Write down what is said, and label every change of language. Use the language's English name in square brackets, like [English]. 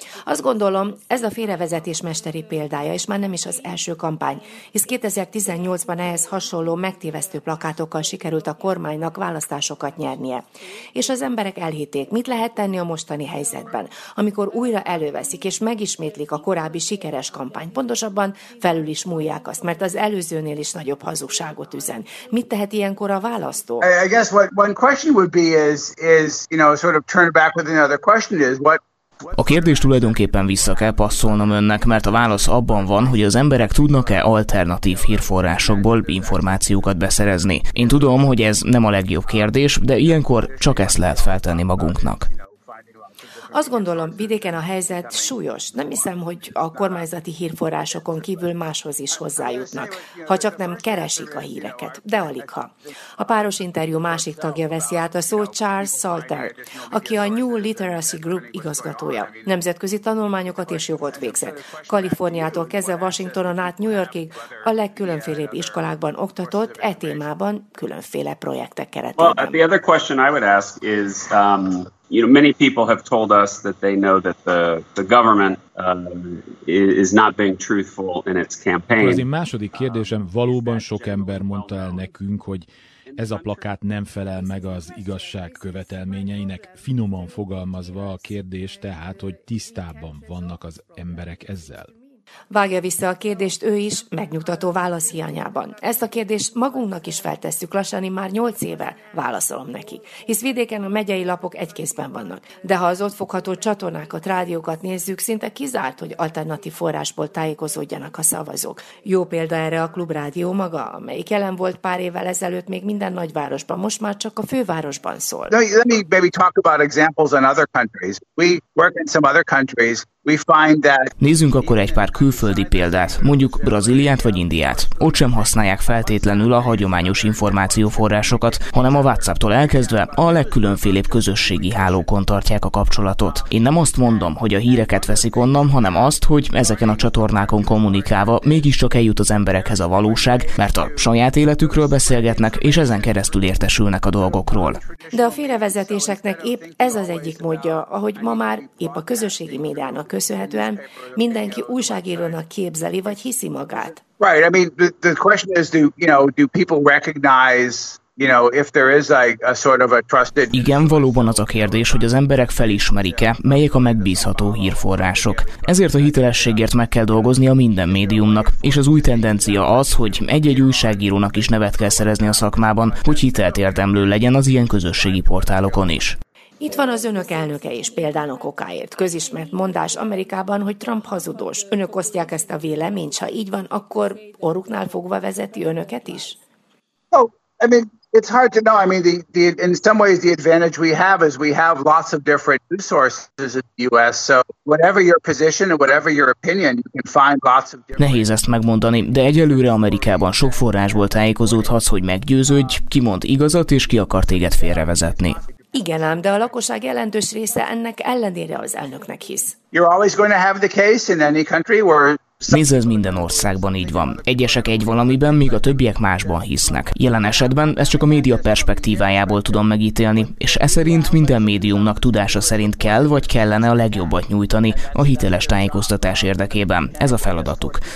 [Hungarian] Azt gondolom, ez a félrevezetés mesteri példája, és már nem is az első kampány, hisz 2018-ban ehhez hasonló megtévesztő plakátokkal sikerült a kormánynak választásokat nyernie. És az emberek elhitték, mit lehet tenni a mostani helyzetben, amikor újra előveszik és megismétlik a korábbi sikeres kampány. Pontosabban felül is múlják azt, mert az előzőnél is nagyobb hazugságot üzen. Mit tehet ilyenkor a választó? [English] I guess what one question would be is you know, sort of turn back with another question is what. [Hungarian] A kérdés tulajdonképpen vissza kell passzolnom önnek, mert a válasz abban van, hogy az emberek tudnak-e alternatív hírforrásokból információkat beszerezni. Én tudom, hogy ez nem a legjobb kérdés, de ilyenkor csak ezt lehet feltenni magunknak. Azt gondolom, vidéken a helyzet súlyos. Nem hiszem, hogy a kormányzati hírforrásokon kívül máshoz is hozzájutnak, ha csak nem keresik a híreket, de aligha. A páros interjú másik tagja veszi át a szót, Charles Salter, aki a New Literacy Group igazgatója. Nemzetközi tanulmányokat és jogot végzett. Kaliforniától kezdve Washingtonon át New Yorkig a legkülönfélebb iskolákban oktatott e témában különféle projektek keretében. [English] Well, the other question I would ask is, you know, many people have told us that they know that the government is not being truthful in its campaign. [Hungarian] Az én második kérdésem, valóban sok ember mondta el nekünk, hogy ez a plakát nem felel meg az igazság követelményeinek. Finoman fogalmazva a kérdés tehát, hogy tisztában vannak az emberek ezzel. Vágja vissza a kérdést ő is, megnyugtató válasz hiányában. Ezt a kérdést magunknak is feltesszük, lassan én már 8 éve válaszolom neki. Hisz vidéken a megyei lapok egykézben vannak. De ha az ott fogható csatornákat, rádiókat nézzük, szinte kizárt, hogy alternatív forrásból tájékozódjanak a szavazók. Jó példa erre a Klubrádió maga, amelyik jelen volt pár évvel ezelőtt még minden nagyvárosban, most már csak a fővárosban szól. [English] Let me maybe talk about examples in other countries. We work in some other countries. [Hungarian] Nézzünk akkor egy pár külföldi példát, mondjuk Brazíliát vagy Indiát. Ott sem használják feltétlenül a hagyományos információforrásokat, hanem a WhatsApp-tól elkezdve a legkülönfélébb közösségi hálókon tartják a kapcsolatot. Én nem azt mondom, hogy a híreket veszik onnan, hanem azt, hogy ezeken a csatornákon kommunikálva mégiscsak eljut az emberekhez a valóság, mert a saját életükről beszélgetnek, és ezen keresztül értesülnek a dolgokról. De a félrevezetéseknek épp ez az egyik módja, ahogy ma már épp a közösségi médiának köszönhetően mindenki újságírónak képzeli vagy hiszi magát. [English] Right, I mean the question is do people recognize, you know, if there is like a sort of a trusted. [Hungarian] Igen, valóban az a kérdés, hogy az emberek felismerik-e, melyek a megbízható hírforrások. Ezért a hitelességért meg kell dolgozni a minden médiumnak, és az új tendencia az, hogy egy-egy újságírónak is nevet kell szerezni a szakmában, hogy hitelt érdemlő legyen az ilyen közösségi portálokon is. Itt van az önök elnöke is, példának okáért. Közismert mondás Amerikában, hogy Trump hazudós. Önök osztják ezt a véleményt, ha így van, akkor orruknál fogva vezeti önöket is? [English] Oh, I mean, it's hard to know. I mean, in some ways the advantage we have is we have lots of different news sources in the US. So whatever your position and whatever your opinion, you can find lots of different. [Hungarian] Nehéz ezt megmondani, de egyelőre Amerikában sok forrásból tájékozódhatsz, hogy meggyőződj, ki mond igazat és ki akar téged félrevezetni. Igen ám, de a lakosság jelentős része ennek ellenére az elnöknek hisz. [English] You're always going to have the case in any country where. [Hungarian] Nézd, ez minden országban így van. Egyesek egy valamiben, míg a többiek másban hisznek. Jelen esetben ezt csak a média perspektívájából tudom megítélni, és eszerint minden médiumnak tudása szerint kell vagy kellene a legjobbat nyújtani a hiteles tájékoztatás érdekében. Ez a feladatuk.